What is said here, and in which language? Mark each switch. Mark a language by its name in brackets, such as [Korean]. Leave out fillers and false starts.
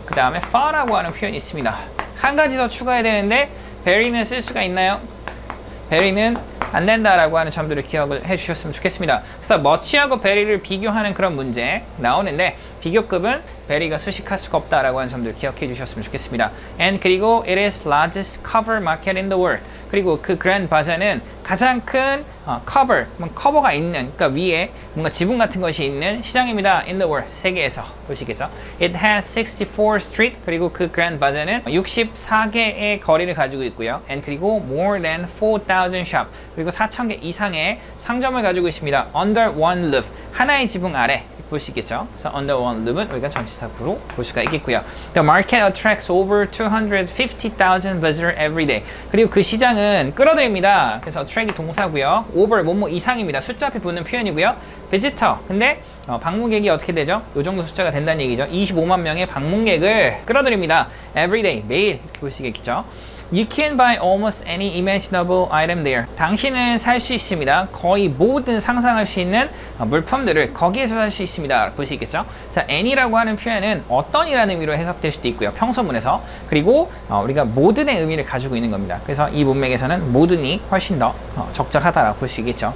[Korean] 그 다음에 far라고 하는 표현이 있습니다. 한 가지 더 추가해야 되는데 very는 쓸 수가 있나요? very는 안 된다라고 하는 점들을 기억을 해주셨으면 좋겠습니다. 그래서 much하고 very를 비교하는 그런 문제 나오는데 비교급은 very가 수식할 수가 없다라고 하는 점들을 기억해 주셨으면 좋겠습니다. [English] And [Korean] 그리고 [English] it is largest cover market in the world. [Korean] 그리고 그 Grand Bazaar는 가장 큰 cover, 커버가 있는, 그러니까 위에 뭔가 지붕 같은 것이 있는 시장입니다. [English] In the world, [Korean] 세계에서 보시겠죠? [English] It has 64 street, [Korean] 그리고 그 Grand Bazaar는 64개의 거리를 가지고 있고요. And 그리고 [English] more than 4,000 shop, [Korean] 그리고 4,000개 이상의 상점을 가지고 있습니다. [English] Under one roof, [Korean] 하나의 지붕 아래. 볼 수 있겠죠. [English] So under one roof [Korean] 은 우리가 전치사구로 볼 수가 있겠고요. [English] The market attracts over 250,000 visitors every day. [Korean] 그리고 그 시장은 끌어들입니다. 그래서 attract이 동사고요. over 뭐뭐 이상입니다. 숫자 앞에 붙는 표현이고요. [English] visitor. [Korean] 근데 방문객이 어떻게 되죠? 요 정도 숫자가 된다는 얘기죠. 25만 명의 방문객을 끌어들입니다. [English] every day. [Korean] 매일 이렇게 볼 수 있겠죠. [English] You can buy almost any imaginable item there. [Korean] 당신은 살 수 있습니다. 거의 모든 상상할 수 있는 물품들을 거기에서 살 수 있습니다. 볼 수 있겠죠? 자, any라고 하는 표현은 어떤이라는 의미로 해석될 수도 있고요. 평소문에서. 그리고 우리가 모든의 의미를 가지고 있는 겁니다. 그래서 이 문맥에서는 모든이 훨씬 더 적절하다라고 볼 수 있겠죠.